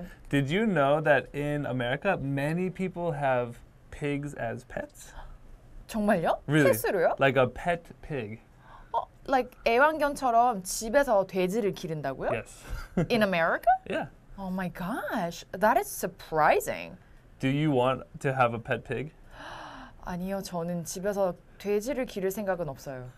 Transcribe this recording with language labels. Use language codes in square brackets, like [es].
[en] Did you know that in America many people have pigs as pets? [ko] 정말요? [en] Really? [ko] 패스로요? [en] Like a pet pig. [ko] Like 애완견처럼 집에서 돼지를 기른다고요? [en] Yes. In America? Yeah. Oh my gosh. That is surprising. Do you want to have a pet pig? [ko] 아니요. 저는 집에서 돼지를 기를 생각은 없어요.